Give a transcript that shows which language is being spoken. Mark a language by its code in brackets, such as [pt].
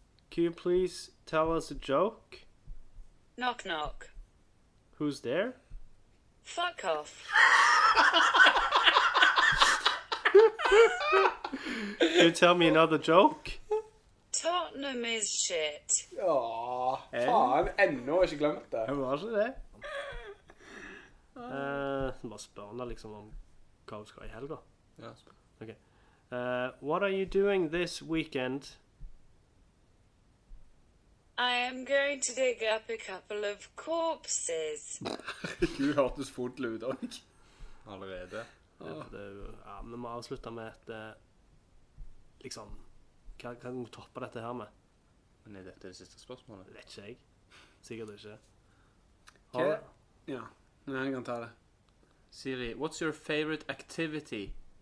[en] Can you please tell us a joke? Knock, knock. Who's there? Fuck off. Can you tell me another joke? Tottenham is shit. [no] Åh, faen, enda har jeg ikke glemt det. Det var ikke det. Bare spør deg liksom om hva du skal i helga. Ja, spør. Ok. [en] What are you doing this weekend? I am going to dig up a couple of corpses. [no] Gud, hørtes fort lyd også. Allerede. Ja, men vi må avslutte med et liksom hva kan vi toppe dette her med? Men er dette det siste spørsmålet? Vet ikke jeg, sikkert ikke. Hva? Ja. Nei, han kan ta det. [en] Siri, what's your favorite activity?